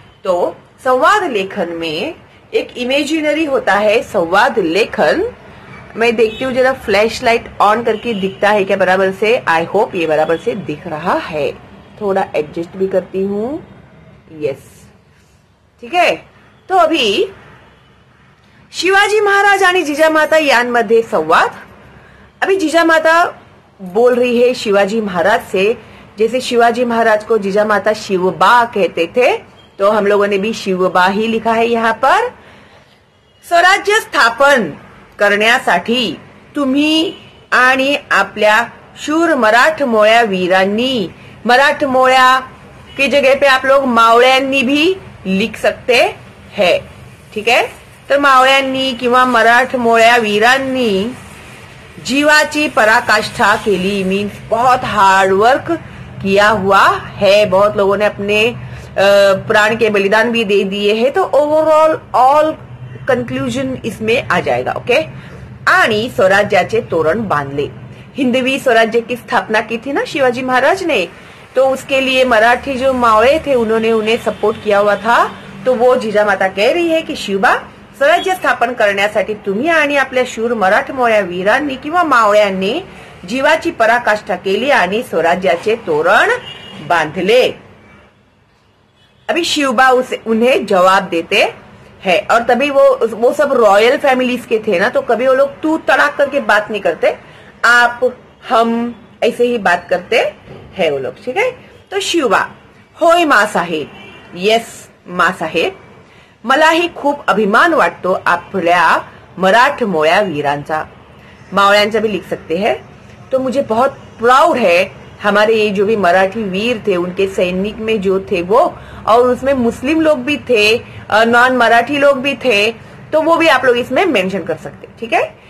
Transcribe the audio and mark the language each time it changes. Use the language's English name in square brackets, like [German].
[Hindi] तो संवाद लेखन में एक इमेजिनरी होता है संवाद लेखन। मैं देखती हूँ जरा फ्लैश लाइट ऑन करके दिखता है क्या बराबर से, आई होप ये बराबर से दिख रहा है, थोड़ा एडजस्ट भी करती हूँ, यस, ठीक है? तो अभी [Marathi] शिवाजी महाराज आणि जीजा माता यान मध्ये संवाद। [Hindi] अभी जीजा माता बोल रही है शिवाजी महाराज से, जैसे शिवाजी महाराज को जीजा माता शिवबा कहते थे तो हम लोगों ने भी शिवबा ही लिखा है यहाँ पर। [Marathi] स्वराज्य स्थापन करण्यासाठी तुम्ही आणि आपल्या शूर मराठ मोळ्या वीरांनी, [Hindi] मराठ मोळ्या की जगह पे आप लोग मावळ्यांनी भी लिख सकते है, ठीक है? [Marathi] तर मावळ्यांनी किंवा मराठ मोळ्या वीरांनी जीवाची पराकाष्ठा केली, [Hindi] मीन्स बहुत हार्ड वर्क किया हुआ है, बहुत लोगों ने अपने प्राण के बलिदान भी दे दिए है, तो ओवरऑल ऑल कंक्लूजन इसमें आ जाएगा। ओके, [Marathi] आणि स्वराज्याचे तोरण बांधले, [Hindi] हिंदवी स्वराज्य की स्थापना की थी ना शिवाजी महाराज ने, तो उसके लिए मराठी जो मावळे थे उन्होंने उन्हें सपोर्ट किया हुआ था, तो वो जीजा माता कह रही है कि [Marathi] शिवबा स्वराज्य स्थापन करण्यासाठी तुम्ही आणि आपल्या शूर मराठमोळ्या वीरांनी किंवा मावळ्यांनी जीवाची पराकाष्ठा केली आणि स्वराज्याचे तोरण बांधले। [Hindi] अभी शिवबा उसे उन्हें जवाब देते है, और तभी वो सब रॉयल फैमिलीज के थे ना, तो कभी वो लोग तू तड़ाक करके बात नहीं करते, आप हम ऐसे ही बात करते है वो लोग, ठीक है? तो शिवबा, [Marathi] होय मां साहेब, यस मां साहेब, मला ही खूप अभिमान वाटतो आपल्या मराठ मोळ्या वीरांचा, मावळ्यांचा [Hindi] भी लिख सकते हैं, तो मुझे बहुत प्राउड है हमारे ये जो भी मराठी वीर थे उनके सैनिक में जो थे वो, और उसमें मुस्लिम लोग भी थे, नॉन मराठी लोग भी थे, तो वो भी आप लोग इसमें मेंशन कर सकते, ठीक है?